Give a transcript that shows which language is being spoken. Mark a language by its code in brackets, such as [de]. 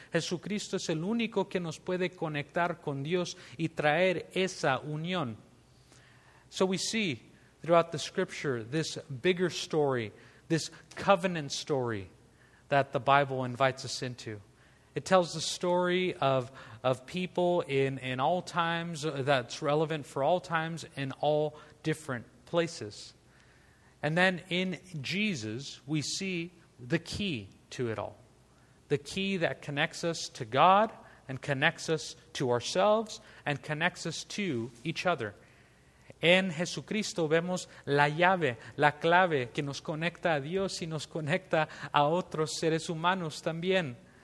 [es] Jesucristo es el único que nos puede conectar con Dios y traer esa unión. [en] So we see throughout the scripture this bigger story, this covenant story that the Bible invites us into. It tells the story of people in all times, that's relevant for all times in all different places. And then in Jesus, we see the key to it all. The key that connects us to God and connects us to ourselves and connects us to each other. [es] En Jesucristo vemos la llave, la clave que nos conecta a Dios y nos conecta a otros seres humanos también.